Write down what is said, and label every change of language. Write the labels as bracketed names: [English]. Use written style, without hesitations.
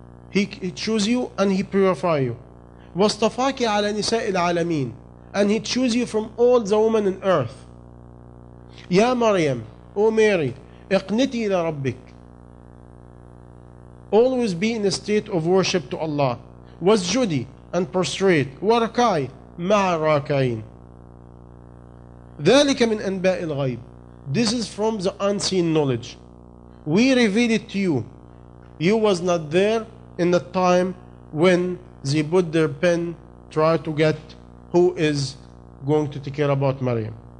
[English] He choose you and He purify you. [Arabic] وَاصْطَفَاكِ عَلَى نِسَاءِ الْعَالَمِينَ. [English] And He choose you from all the women on earth. Ya Maryam, O Mary, [Arabic] اقنتي لربك. [English] Always be in a state of worship to Allah. Wasjudi and prostrate. [Arabic] Warkai مع الراكعين. ذلك من أنباء الغيب. [English] This is from the unseen knowledge. We revealed it to you. You was not there in the time when they put their pen, try to get who is going to take care about Maryam.